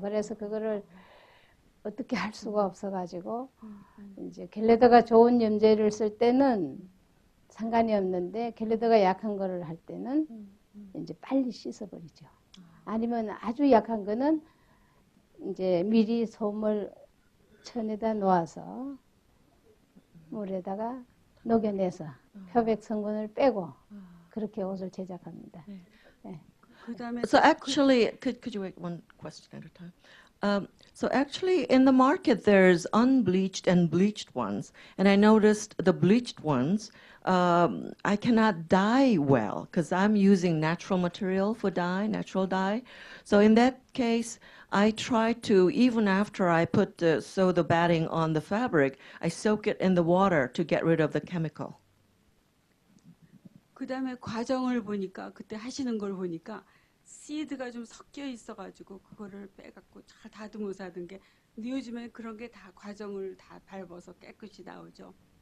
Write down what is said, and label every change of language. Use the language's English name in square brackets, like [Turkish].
[Korean] 그래서 그거를 어떻게 할 수가 없어가지고 이제 겟레더가 좋은 염제를 쓸 때는 상관이 없는데 겟레더가 약한 거를 할 때는 이제 빨리 씻어버리죠. 아니면 아주 약한 거는 이제 미리 솜을 천에다 놓아서 물에다가 녹여내서 표백 성분을 빼고 그렇게 옷을 제작합니다. 네. [English] 네. So actually, could you wait one question at a time? So actually, in the market, there's unbleached and bleached ones. And I noticed the bleached ones, I cannot dye well because I'm using natural material for dye, natural dye. So in that case, I try to, even after I put sew the batting on the fabric, I soak it in the water to get rid of the chemical. [Korean] 그 다음에 과정을 보니까, 그때 하시는 걸 보니까 시드가 좀 섞여 있어가지고 그거를 빼갖고 잘 다듬어서 하던 게 요즘에 그런 게 다 과정을 다 밟아서 깨끗이 나오죠.